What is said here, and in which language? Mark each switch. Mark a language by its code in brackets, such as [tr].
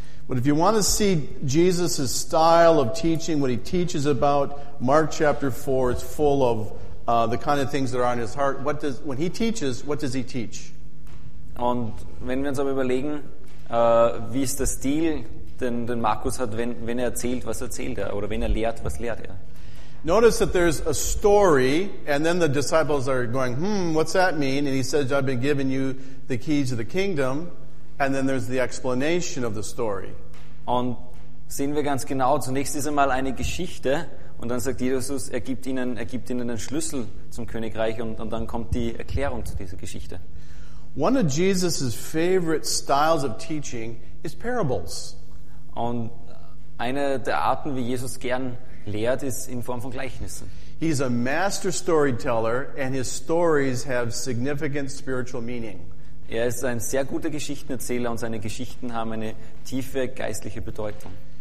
[en] But if you want to see Jesus' style of teaching, what he teaches about, Mark chapter 4 is full of the kind of things that are on his heart. When he teaches, what does he teach? [de] Und wenn wir uns aber überlegen, wie ist der Stil, den Markus hat, wenn er erzählt, was erzählt er? Oder wenn er lehrt, was lehrt er? [en] Notice that there's a story, and then the disciples are going, what's that mean? And he says, I've been giving you the keys of the kingdom. And then there's the explanation of the story. [de] Und sehen wir ganz genau zunächst diese mal eine Geschichte und dann sagt Jesus, er gibt ihnen den Schlüssel zum Königreich und dann kommt die Erklärung zu dieser Geschichte. [en] One of Jesus' favorite styles of teaching is parables. [de] Und eine der Arten, wie Jesus gern lehrt, ist in Form von Gleichnissen. [en] He's a master storyteller and his stories have significant spiritual meaning. [de] Er ist ein sehr guter Geschichtenerzähler und seine Geschichten haben eine tiefe geistliche Bedeutung.